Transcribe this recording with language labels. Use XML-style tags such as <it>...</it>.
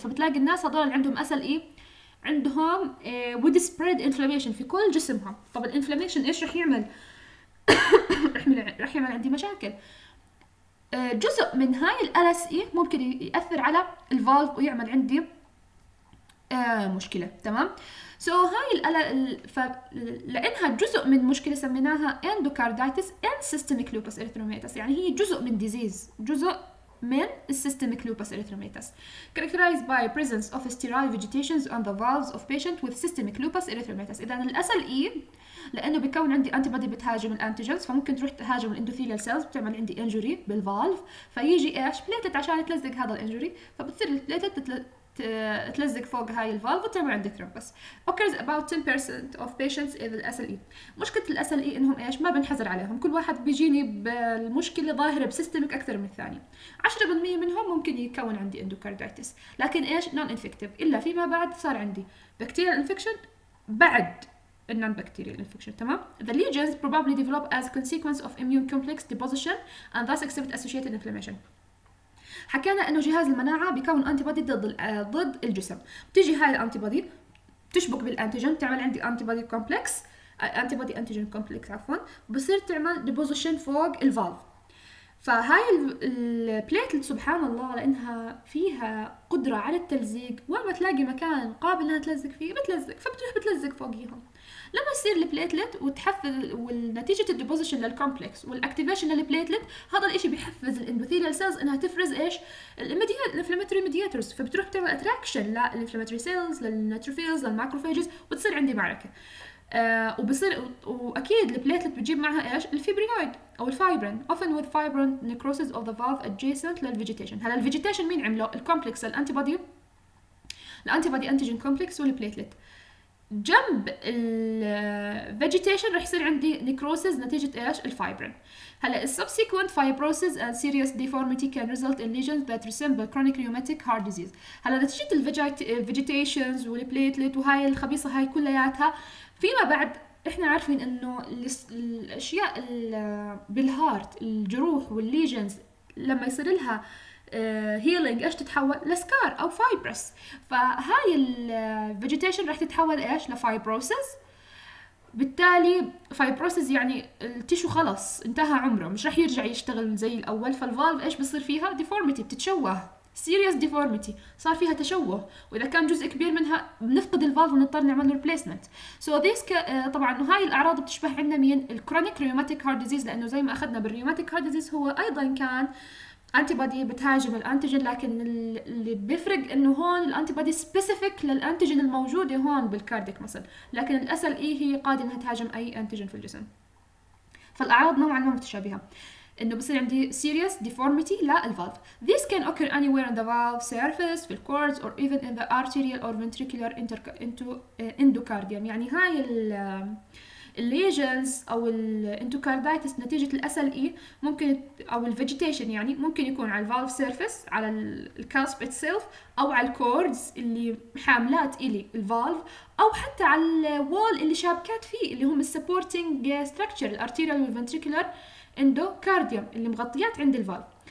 <ar>فبتلاقي الناس هذول اللي عندهم أسل إيه عندهم would spread inflammation في كل جسمهم. طب الانفلاميشن إيش رح يعمل؟ رح يعمل عندي مشاكل. جزء من هاي الألس إيه ممكن يأثر على الفالف ويعمل عندي مشكلة.</ar> <en>تمام؟ سو هاي لأنها جزء من مشكلة سميناها endocarditis and systemic lupus erythematosus، يعني هي جزء من disease، جزء من systemic lupus erythematosus characterized by presence of sterile vegetation on the valves of patient with systemic lupus erythematosus.</en> <ar>إذن الأسل إيه لأنه بيكون عندي antibody بتهاجم الانتيجنز فممكن تروح تهاجم الاندوثيليال سيلز بتعمل عندي injury بالفالف فيجي إيش بليتت عشان تلزق هذا الانجوري فبتصير البليتت تلزق فوق هاي الفالف وتعمل عندي thrombus.</ar> <en>occurs about 10% of patients with SLE.</en> <ar>مشكلة SLE إنهم إيش ما بنحذر عليهم، كل واحد بيجيني بالمشكلة ظاهرة بسيستميك أكثر من الثاني. 10% منهم ممكن يكون عندي endocarditis لكن إيش non-infective إلا فيما بعد صار عندي bacterial infection بعد non-bacterial infection.</ar> <en>تمام؟ the lesions probably develop as a consequence of immune complex deposition and thus exhibit associated inflammation.</en> <ar>حكينا انه جهاز المناعه بيكون انتيبادي ضد الجسم، بتيجي هاي الانتيبادي بتشبك بالانتيجين بتعمل عندي انتيبادي كومبلكس انتيبادي انتيجين كومبلكس عفوا بصير تعمل ديبوزيشن فوق الفالف. فهاي البليت سبحان الله لانها فيها قدره على التلزيق وما تلاقي مكان قابل انها تلزق فيه بتلزق فبتروح بتلزق فوقيهم. لما يصير البليتلت وتحفز والنتيجة الديبوزيشن للكومبلكس والاكتيفيشن للبليتلت هذا الاشي بيحفز الاندوثيليال سيلز انها تفرز ايش الانفلاماتوري ميدياتورز فبتروح بتعمل اتراكشن للانفلاماتوري سيلز للنيتروفيلز للماكروفاجز وتصير عندي معركة وبصير واكيد البليتلت بتجيب معها ايش الفيبرينويد او الفايبرين often with fibrin necrosis of the valve adjacent للفيجيتيشن. هلا الفيجيتيشن مين عمله؟ الكومبلكس الانتيبادي الانتيبادي انتيجين كومبلكس والبليتلت. جنب الفيجيتيشن رح يصير عندي نيكروسيس نتيجة إيش الفايبرين.</ar> <en>هلا السبسيكوينت fibrosis and serious deformity can result in lesions that resemble chronic rheumatic heart disease.</en> <ar>هلا نتيجة الفيجيتيشن والبليتلت وهاي الخبيصة هاي كلياتها فيما بعد إحنا عارفين إنه الأشياء بالهارت الجروح والليجنز لما يصير لها healing إيش تتحول لسكار أو fibrous. فهاي الvegetation راح تتحول إيش لfibrosis. بالتالي fibrosis يعني التيشو خلص انتهى عمره مش راح يرجع يشتغل زي الأول. فالvalve إيش بصير فيها deformity بتتشوه serious deformity صار فيها تشوه وإذا كان جزء كبير منها بنفقد الvalve ونضطر نعمل replacement. so this طبعا هاي الأعراض بتشبه عندنا مين chronic rheumatic heart disease لأنه زي ما أخذنا بالrheumatic heart disease هو أيضا كان انتيبادي بتهاجم الانتيجين لكن اللي بيفرق انه هون الانتيبادي سبيسيفيك للانتيجين الموجوده هون بالكارديك مسل لكن الاسل اي هي قادره انها تهاجم اي انتيجين في الجسم. فالاعراض نوعا ما متشابهه انه بصير عندي سيريس ديفورميتي للفالف.</ar> <en>This can occur anywhere on the valve surface في الكوردز or even in the arterial or ventricular endocardium.</en> <ar>يعني هاي الليجنز او الانتوكارديتس نتيجة الاسل اي ممكن او الفيجيتيشن يعني ممكن يكون على الفالف سيرفيس على الكاسب اتسيلف او على الكوردز اللي حاملات الي الفالف او حتى على الوال اللي شابكات فيه اللي هم السبورتينج ستركتشر الارتيريال والفنتريكولار اندوكارديوم اللي مغطيات عند الفالف.</ar>